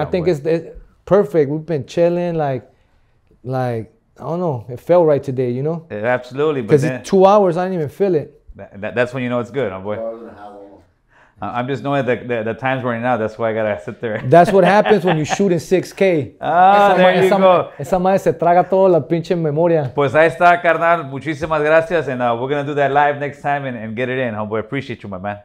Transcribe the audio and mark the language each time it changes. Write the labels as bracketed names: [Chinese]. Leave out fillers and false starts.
[English] I think it's perfect. We've been chilling, like. Like, I don't know, it felt right today, you know? Yeah, absolutely. Because 2 hours, I didn't even feel it. That's when you know it's good, oh boy. I'm just knowing that the time's running out. That's why I got to sit there. That's what happens when you shoot in 6K. There you go. [Spanish] Esa madre se traga toda la pinche memoria. Pues ahí está, carnal. Muchísimas gracias. [English] And we're going to do that live next time and get it in, homeboy. Appreciate you, my man.